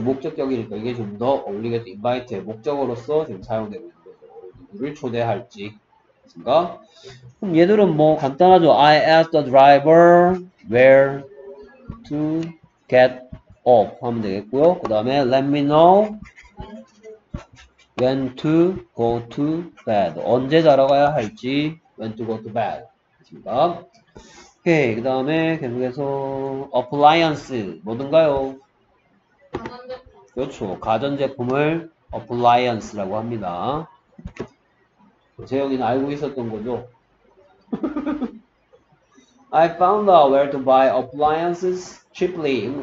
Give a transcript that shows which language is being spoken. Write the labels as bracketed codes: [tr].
[ko] 목적격이니까 이게 좀더 어울리겠죠. invite의 목적어로서 지금 사용되고 있는 거죠. 누구를 초대할지. 그니까 그럼 얘들은 뭐 간단하죠. [en] I asked the driver where to get off [ko] 하면 되겠고요. 그 다음에 [en] let me know when to go to bed [ko] 언제 자러 가야 할지 [en] when to go to bed [ko] 그렇습니다. 오케이. 그 다음에 계속해서 appliance 뭐든가요. 그렇죠. 가전제품을 appliance라고 합니다. 재영이는 알고 있었던 거죠. [en] I found out where to buy appliances cheaply.